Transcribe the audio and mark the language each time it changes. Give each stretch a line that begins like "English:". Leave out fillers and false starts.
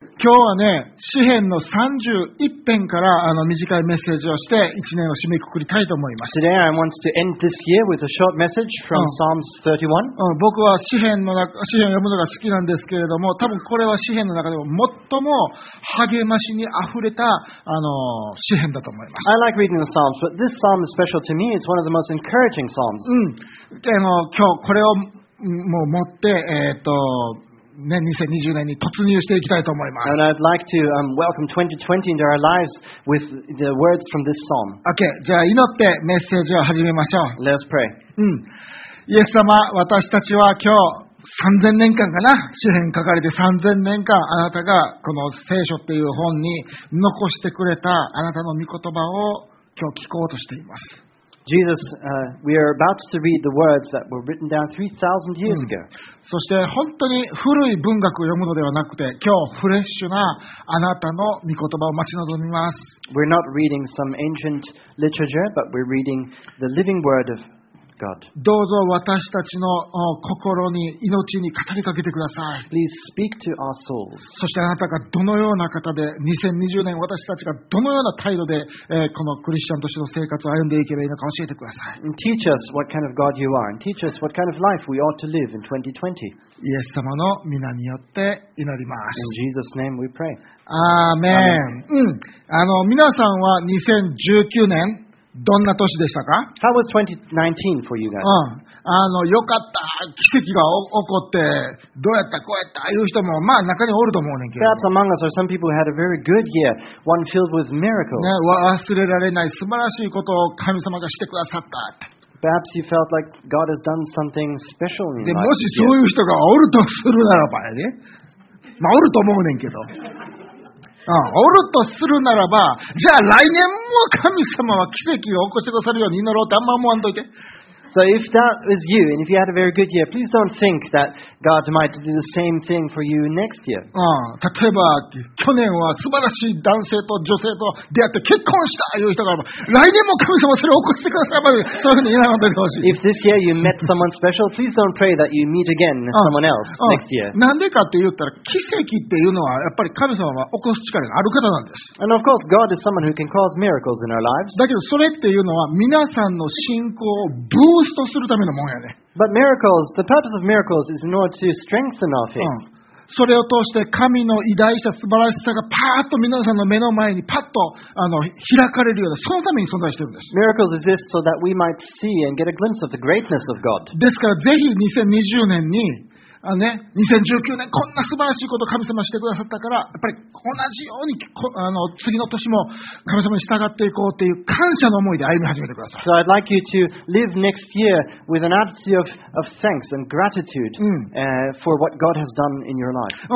Japanese: 今日はね、詩編の31編から短いメッセージをして1年を締めくくりたいと思います。
English: Today I want to end this year with a short message from Psalms 31.
Japanese: 僕は詩編を読むのが好きなんですけれども、多分これは詩編の中でも最も励ましにあふれた詩編だと思います。
English: I like reading the Psalms, but this Psalm is special to me. It's one of the most encouraging Psalms.
Japanese: 今日これをもう持って、ね、2020年に突入していきたいと思います。
English: And I'd like to welcome 2020 into our lives with the words from this psalm.
Japanese: Okay, じゃあ祈ってメッセージを始めましょう。
English: Let's pray.
Japanese: イエス様、私たちは今日3000年間かな、詩編書かれて3000年間、あなたがこの聖書っていう本に残してくれたあなたの御言葉を今日聞こうとしています。
English: Jesus, we are about to read the words that were written down 3,000 years ago.
Japanese: そして本当に古い文学を読むのではなくて、今日フレッシュなあなたの御言葉を待ち望みます。
English: We're not reading some ancient literature, but we're reading the living word of God.
Japanese: どうぞ私たちの心に、命に語りかけてください。
English: Please speak to our souls.
Japanese: そしてあなたがどのような方で、2020年私たちがどのような態度で、このクリスチャンとしての生活を歩んでいけばいいのか教えてください。
English: And teach us what kind of God you are, and teach us what kind of life we ought to live in 2020.
Japanese: イエス様の御名によって祈ります。
English: In Jesus' name we pray.
Japanese: アーメン。皆さんは2019年、どんな年でしたか？
English: How was 2019 for you guys?
Japanese: よかった、奇跡が起こって、どうやった、こうやった、いう人も、まあ、中におると思うねんけど。
English: Perhaps among us are some people who had a very good year, one filled with miracles.
Japanese: ね、忘れられない、素晴らしいことを神様がしてくださったって。
English: Perhaps you felt like God has done something special in your life.
Japanese: でもしそういう人がおるとするならばね。まあ、おると思うねんけど。おるとするならば、じゃあ来年も神様は奇跡を起こしてくださるように祈ろうってあんま思わんといて。
English: So if that is you, and if you had a very good year, please don't think that God might do the same thing for you next year.
Japanese: 例えば、去年は素晴らしい男性と女性と出会って結婚したという人が、来年も神様それを起こしてくださいまで、そういうふうに祈らんといてほしい。
English: If this year you met someone special, please don't pray that you meet again someone else next year.
Japanese: なんでかって言ったら、奇跡っていうのはやっぱり神様は起こす力がある方なんです。
English: And of course, God is someone who can cause miracles in our lives.
Japanese: だけどそれっていうのは皆さんの信仰をブーストするためのもんやね。
English: But miracles, the purpose of miracles is in order to strengthen our faith.
Japanese: それを通して神の偉大さ、素晴らしさがパーッと皆さんの目の前にパッと開かれるような、そのために存在しているんです。
English: Miracles exist so that we might see and get a glimpse of the greatness of God.
Japanese: ですからぜひ2020年に、2019年こんな素晴らしいことを神様してくださったから、やっぱり同じように次の年も神様に従っていこうという感謝の思いで歩み始めてください。
English: So I'd like you to live next year with an attitude of thanks and gratitude for what God has done in your life.